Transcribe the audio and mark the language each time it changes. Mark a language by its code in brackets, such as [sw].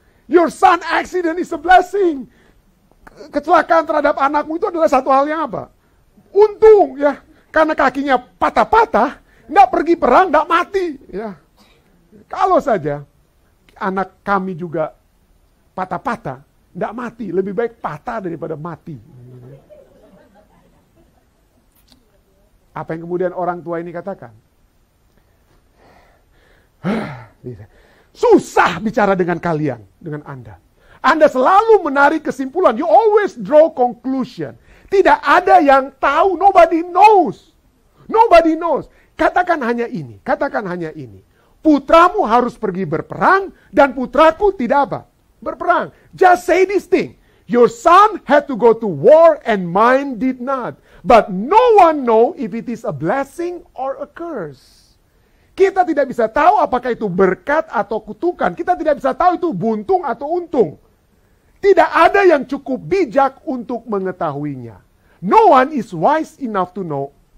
[en] Your son accident is a blessing. [id] Kecelakaan terhadap anakmu itu adalah satu hal yang apa? Untung ya. Karena kakinya patah-patah, enggak pergi perang, enggak mati. Ya. Kalau saja anak kami juga patah-patah, enggak mati. Lebih baik patah daripada mati. Apa yang kemudian orang tua ini katakan? Bisa. Susah bicara dengan kalian, dengan Anda. Anda selalu menarik kesimpulan. [en] You always draw conclusion. [id] Tidak ada yang tahu. [en] Nobody knows. Nobody knows. [id] Katakan hanya ini. Katakan hanya ini. Putramu harus pergi berperang dan putraku tidak apa? [en] Berperang. Just say this thing. Your son had to go to war and mine did not. But no one know if it is a blessing or a curse. [id] Kita tidak bisa tahu apakah itu berkat atau kutukan. Kita tidak bisa tahu itu buntung atau untung. Tidak ada yang cukup bijak untuk mengetahuinya. [en] No one is wise enough to know.